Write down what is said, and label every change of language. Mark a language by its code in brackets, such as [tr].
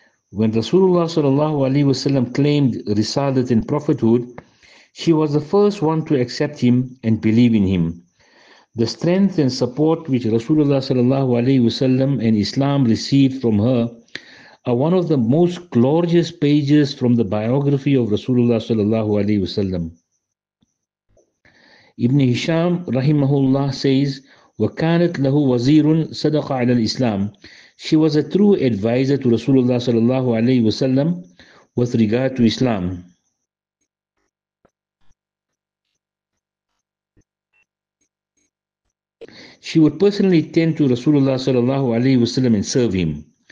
[en] When Rasulullah sallallahu alayhi wa sallam claimed risalat and prophethood, she was the first one to accept him and believe in him. The strength and support which Rasulullah sallallahu alayhi wa sallam and Islam received from her are one of the most glorious pages from the biography of Rasulullah sallallahu alayhi wa sallam. Ibn Hisham rahimahullah says, [ar] وَكَانَتْ لَهُ وَزِيرٌ صَدَقَ عَلَى الْإِسْلَامِ. [en] She was a true advisor to Rasulullah sallallahu alayhi wa sallam with regard to Islam. She would personally tend to Rasulullah sallallahu alayhi wa sallam and serve him.